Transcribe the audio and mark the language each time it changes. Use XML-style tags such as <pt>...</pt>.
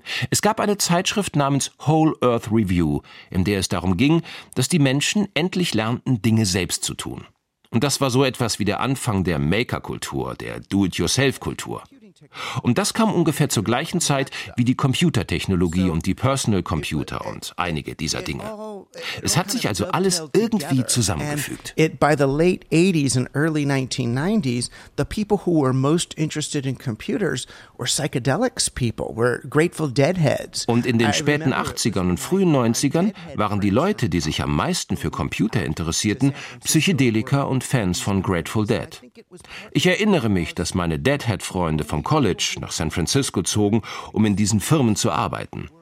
<de>Es gab eine Zeitschrift namens Whole Earth Review, in der es darum ging, dass die Menschen endlich lernten, Dinge selbst zu tun. Und das war so etwas wie der Anfang der Maker-Kultur, der Do-it-yourself-Kultur. Und das kam ungefähr zur gleichen Zeit wie die Computertechnologie und die Personal Computer und einige dieser Dinge. Es hat sich also alles irgendwie zusammengefügt.</de> <en>By the late 80s and early 1990s, the people who were most interested in computers were psychedelics people, were Grateful Deadheads.</en> <de>Und in den späten 80ern und frühen 90ern waren die Leute, die sich am meisten für Computer interessierten, Psychedelika und Fans von Grateful Dead. Ich erinnere mich, dass meine Deadhead-Freunde vom College nach San Francisco zogen, um in diesen Firmen zu arbeiten.</de>